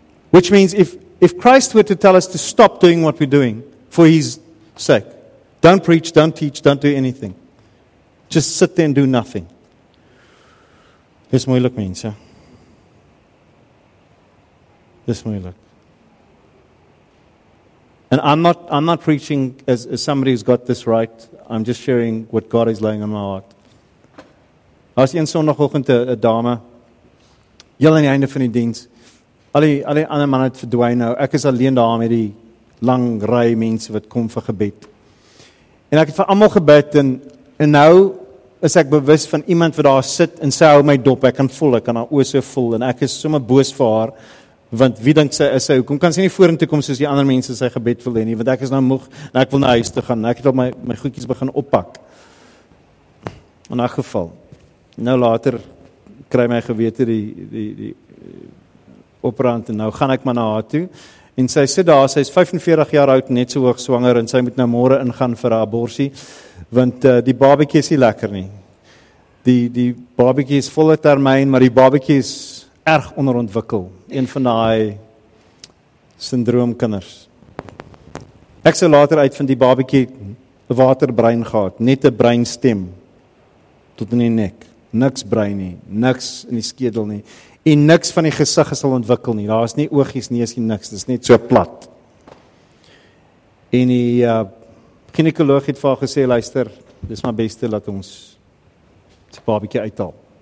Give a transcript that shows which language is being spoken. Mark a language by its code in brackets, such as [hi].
[en] Which means if Christ were to tell us to stop doing what we're doing for his sake, don't preach, don't teach, don't do anything, just sit there and do nothing. This way look means, yeah? This way look. And I'm not preaching as somebody who's got this right. I'm just sharing what God is laying on my heart. [af] As een sonoggend 'n dame, heel aan die einde van die diens, al die ander manne het verdwyn nou. Ek is alleen daar met die lang ry mense wat kom vir gebed. En ek het vir almal gebid en nou is ek bewus van iemand wat daar sit en sy hou my dop. Ek kan haar oë so voel en ek is sommer boos vir haar. Want wie dink sy is sy? Hoekom kan sy nie vorentoe kom soos die ander mense sy gebed wil hê nie? Want ek is nou moeg en ek wil na huis toe gaan. Ek het al my goedjies begin oppak. In elk geval. Nou later kry my gewete die opbrand en nou gaan ek maar na haar toe. En sy sit daar, sy is 45 jaar oud, net so hoog swanger en sy moet nou môre ingaan vir haar abortie. Want die babietjie is nie lekker nie. Die babietjie is volle termyn, maar die babietjie is erg onderontwikkel. Een van daai syndroomkinders. Ek sou later uit van die babietjie 'n waterbrein gehad, net 'n breinstem tot in die nek. Niks brein nie, niks in die skedel nie en niks van die gesig sal ontwikkel nie. Daar is nie oogies, neus nie, niks. Dit is net so plat. En die ginekoloog het vir haar gesê, luister, dis maar beste dat ons die babietjie uithaal.